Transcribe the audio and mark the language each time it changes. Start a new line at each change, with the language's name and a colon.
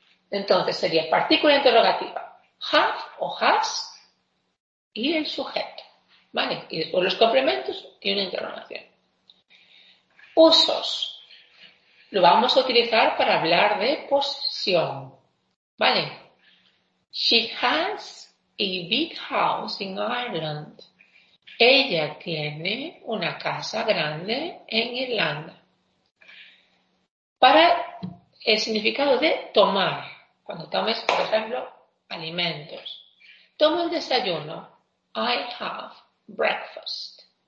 Spanish: Entonces sería partícula interrogativa, have o has, y el sujeto, ¿vale? Y después los complementos y una interrogación. Usos. Lo vamos a utilizar para hablar de posesión, ¿vale?
English: She has a big house in Ireland.
Spanish: Ella tiene una casa grande en Irlanda. Para el significado de tomar, cuando tomes, por ejemplo, alimentos. Tomo el desayuno.
English: I have breakfast.